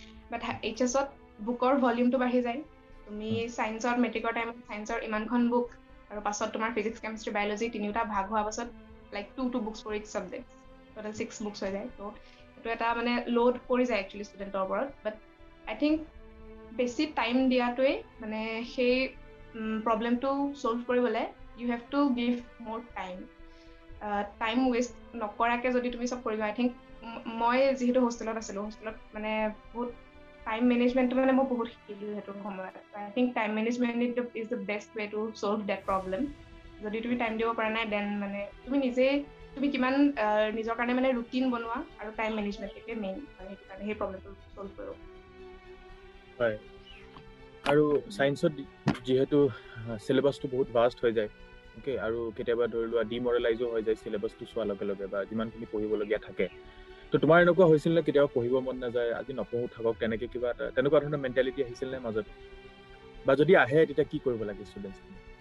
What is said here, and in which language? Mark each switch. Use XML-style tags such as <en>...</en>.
<as>বাট H এছত বুকৰ ভলিউমটো বাঢ়ি যায়, তুমি ছায়েন্সত মেট্ৰিকৰ টাইমত ছায়েন্সৰ ইমানখন বুক আৰু পাছত তোমাৰ ফিজিক্স কেমিষ্ট্ৰি বায়'লজি তিনিওটা ভাগ হোৱাৰ পাছত</as> <en>like two two books for each subject, total six books</en> <as>হৈ যায়। তো সেইটো এটা মানে লোড পৰি যায় একচুৱেলি ষ্টুডেণ্টৰ ওপৰত। বাট আই থিংক বেছি টাইম দিয়াটোৱে মানে সেই প্ৰব্লেমটো চল্ভ কৰিবলৈ</as> <en>you have to give more time,</en> <as>টাইম ৱেষ্ট নকৰাকৈ যদি তুমি চব কৰিবা। আই থিংক মই যিহেতু হোষ্টেলত আছিলোঁ, হোষ্টেলত মানে বহুত টাইম মেনেজমেণ্টটো মানে মই বহুত শিকিলোঁ সেইটো সময়ত।</as> <en>I think time management is the best way to solve that problem.</en> <as>যদি তুমি টাইম দিব পৰা নাই দেন মানে তুমি নিজেই তুমি কিমান নিজৰ কাৰণে মানে ৰুটিন বনোৱা আৰু টাইম মেনেজমেণ্ট সেইটোৱে মেইন, মানে সেইটো কাৰণে সেই প্ৰব্লেমটো চল্ভ কৰোঁ। আৰু ছায়েন্সত যিহেতু চিলেবাছটো বহুত ভাষ্ট হৈ যায়, অ'কে আৰু কেতিয়াবা ধৰি লোৱা ডিমৰেলাইজো হৈ যায় চিলেবাছটো চোৱাৰ লগে লগে বা যিমানখিনি পঢ়িবলগীয়া থাকে, তো তোমাৰ এনেকুৱা হৈছিল নে কেতিয়াবা পঢ়িব মন নাযায় আজি নপঢ়ো থাকক তেনেকৈ কিবা এটা তেনেকুৱা ধৰণৰ মেণ্টেলিটি আহিছিল নে মাজত, বা যদি আহে তেতিয়া কি কৰিব লাগে ষ্টুডেণ্টছখিনি?</as>